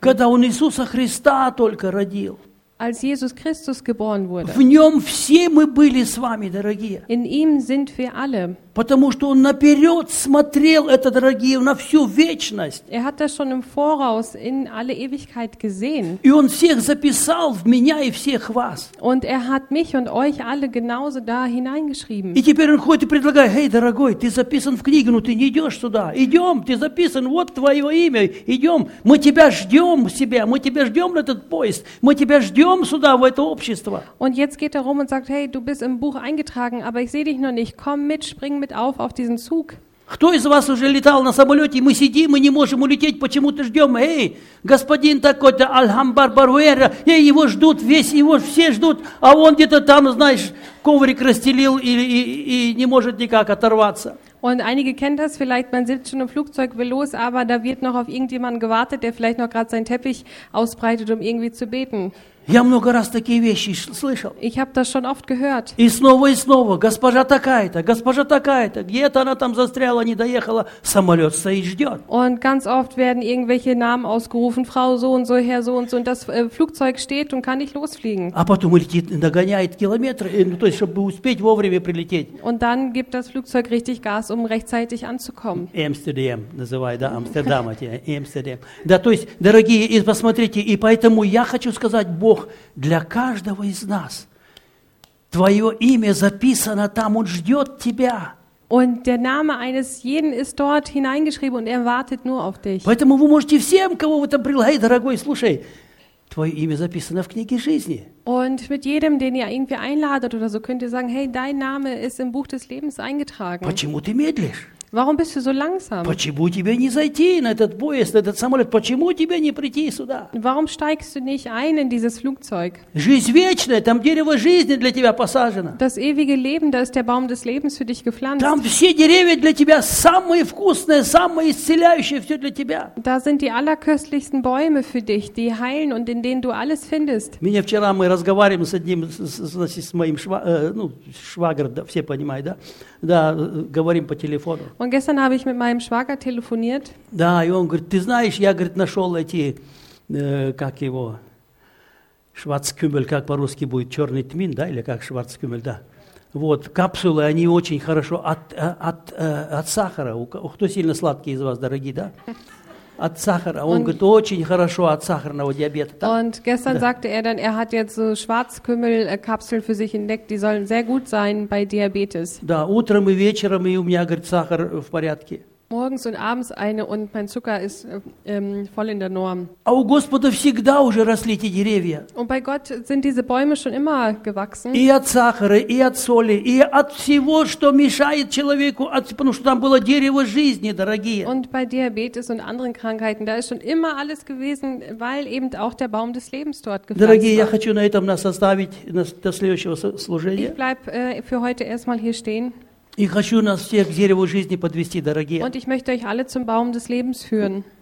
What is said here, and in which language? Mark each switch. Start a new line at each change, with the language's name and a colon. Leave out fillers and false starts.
Russian: Когда он Иисуса Христа только родил.
German: Als Jesus Christus geboren wurde.
Russian: В нем все мы были с вами, дорогие.
German: In ihm sind wir alle.
Russian: Потому что он наперед смотрел это, дорогие, на всю вечность.
German: Er hat das schon im Voraus in alle Ewigkeit gesehen.
Russian: И он всех записал в меня и всех вас.
German: Und er hat mich und euch alle genauso da hineingeschrieben.
Russian: И теперь он ходит и предлагает: «Эй, дорогой, ты записан в книге, но ты не идешь туда. Идем, ты записан, вот твое имя. Идем, мы тебя ждем себя, мы тебя ждем на этот поезд, мы тебя ждем сюда, в это общество».
German: Und jetzt geht er rum und sagt: «Hey, du bist im Buch eingetragen, aber ich sehe dich noch nicht. Komm mit, spring mit auf diesen Zug.
Russian: Кто из вас уже летал на самолете, и мы сидим, и не можем улететь, почему-то ждем? Эй, господин такой-то, Альхамбар-Баруэра, эй, его ждут, весь, его все ждут, а он где-то там, знаешь, коврик расстелил и не может никак оторваться.
German: Und einige kennen das vielleicht, man sitzt schon im Flugzeug, will los, aber da wird noch auf irgendjemanden gewartet, der vielleicht noch gerade seinen Teppich ausbreitet, um irgendwie zu beten.
Russian: Я много раз такие вещи слышал.
German: Ich habe das schon oft gehört.
Russian: И снова, госпожа такая-то, где-то она там застряла, не доехала, самолет стоит, ждет.
German: Und ganz oft werden irgendwelche Namen ausgerufen, Frau so und so, Herr so und so, und das Flugzeug steht und kann nicht losfliegen.
Russian: А потом летит, догоняет километры, ну, то есть, чтобы успеть вовремя прилететь.
German: Und dann gibt das Flugzeug richtig Gas, um rechtzeitig anzukommen.
Russian: Амстердам, называю, да, Амстердам, Амстердам. Да, то есть, дорогие, и посмотрите, и поэтому я хочу сказать, Бог, Бог для каждого из нас. Твое имя записано там, он ждет тебя.
German: Und der Name eines jeden ist dort hineingeschrieben und er wartet nur auf dich.
Russian: Поэтому вы можете всем, кого вы там привели, дорогой, слушай, твое имя записано в книге жизни.
German: Und mit jedem, den ihr irgendwie einladet oder so, könnt ihr sagen, hey, dein Name ist im Buch des Lebens eingetragen.
Russian: Почему ты медлишь?
German: Warum bist du so langsam?
Russian: Почему тебе не зайти на этот поезд, на этот самолет? Почему тебе не прийти сюда?
German: Warum steigst du nicht ein in dieses Flugzeug?
Russian: Жизнь вечная, там дерево жизни для тебя посажено.
German: Das ewige Leben, da ist der Baum des Lebens für dich gepflanzt.
Russian: Там все деревья для тебя самые вкусные, самые исцеляющие, все для тебя.
German: Da sind die allerköstlichsten Bäume für dich, die heilen und in denen du alles findest.
Russian: Меня вчера мы разговариваем с одним, значит, с моим швагер, да, все понимают, да? Да, говорим по телефону.
German: Und gestern habe ich mit meinem Schwager telefoniert.
Russian: Да, и он говорит, ты знаешь, я, говорит, нашел эти, как его, Шварцкюмель, как по-русски будет, черный тмин, да, или как Шварцкюмель, да. Вот, капсулы, они очень хорошо от сахара. Кто сильно сладкий из вас, дорогие, да? От сахара. Он говорит, очень хорошо от сахарного диабета. Да?
German: Und gestern
Russian: да.
German: sagte er dann, er hat jetzt so Schwarzkümmelkapseln für sich entdeckt, die sollen sehr gut sein bei Diabetes.
Russian: Да, утром и вечером, и у меня, говорит, сахар в порядке.
German: Morgens und abends eine und mein Zucker ist voll in der Norm.
Russian: А у Господа всегда уже росли эти деревья.
German: Und bei Gott sind diese Bäume schon immer gewachsen.
Russian: И от сахара, и от соли, и от всего, что мешает человеку, потому что там было дерево жизни, дорогие.
German: Und bei Diabetes und anderen Krankheiten, da ist schon immer alles gewesen, weil eben auch der Baum des Lebens dort gepflanzt war.
Russian: Дорогие, я хочу на этом нас оставить на до следующего служения.
German: Ich bleib für heute erstmal hier stehen.
Russian: И хочу нас всех к дереву жизни подвести, дорогие.
German: Und ich möchte euch alle zum Baum des Lebens führen.